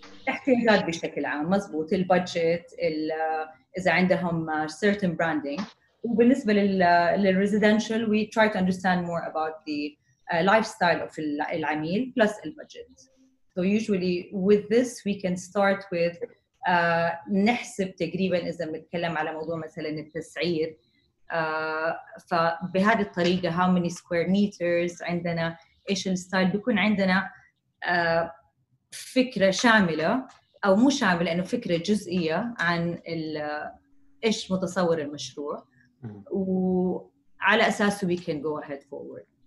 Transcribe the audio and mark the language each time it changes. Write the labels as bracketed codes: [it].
[ar] احتياجات بشكل عام مزبوط, البادجت, إذا عندهم certain branding. وبالنسبة لل [en] residential we try to understand more about the lifestyle of العميل plus the budget. So usually with this we can start with [ar] نحسب تقريباً إذا نتكلم على موضوع مثلاً التسعير, فبهذه الطريقة [en] how many square meters [ar] عندنا, إيش الستايل, بيكون عندنا فكرة شاملة أو مو شاملة, إنه فكرة جزئية عن إيش متصور المشروع, وعلى أساسه [en] we can go ahead forward.